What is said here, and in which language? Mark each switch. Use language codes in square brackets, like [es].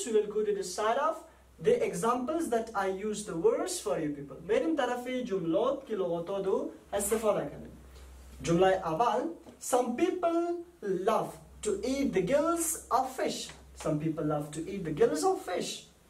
[en] We will go to the side of the examples that I use the words for you people. [fa] میریم طرف جملات که لغت ها دو استفاده کنیم. جمله اول: [en] Some people love to eat the gills of fish. Some people love to eat the gills of fish.